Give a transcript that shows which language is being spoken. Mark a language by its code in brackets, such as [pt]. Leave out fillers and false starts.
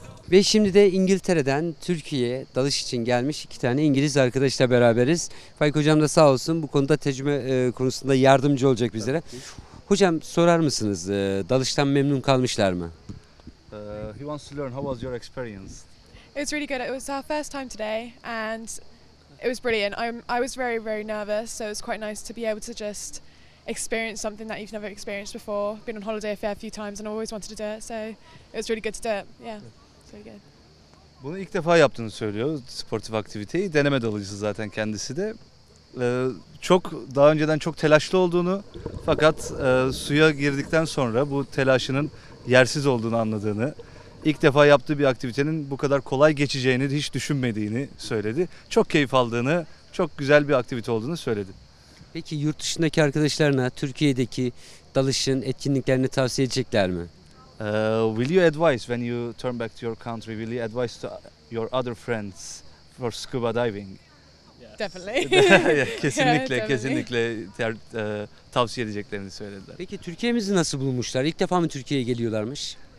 [tr] Ve şimdi de İngiltere'den Türkiye'ye dalış için gelmiş iki tane İngiliz arkadaşla beraberiz. Faik Hocam da sağ olsun bu konuda tecrübe konusunda yardımcı olacak bizlere. Hocam sorar mısınız dalıştan memnun kalmışlar mı? [en] He wants to learn how was your experience? It was really good. It was our first time today and it was brilliant. I was very very nervous, so it was quite nice to be able to just experience something that you've never experienced before. Been on holiday a fair few times and I always wanted to do it, so it was really good to do it. Yeah, it's really good. [tr] Bunu ilk defa yaptığını söylüyor. Sportif aktiviteyi deneme dalıcısı zaten kendisi de. Çok daha önceden çok telaşlı olduğunu fakat suya girdikten sonra bu telaşının yersiz olduğunu anladığını, ilk defa yaptığı bir aktivitenin bu kadar kolay geçeceğini hiç düşünmediğini söyledi. Çok keyif aldığını, çok güzel bir aktivite olduğunu söyledi. Peki yurt dışındaki arkadaşlarına Türkiye'deki dalışın etkinliklerini tavsiye edecekler mi? [en] Will you advise when you turn back to your country, will you advise to your other friends for scuba diving? Definitely. [tr] Kesinlikle, [en] yeah, definitely. [tr] Kesinlikle tavsiye edeceklerini söylediler. Peki Türkiye'mizi nasıl bulmuşlar? İlk defa mı Türkiye'ye geliyorlarmış?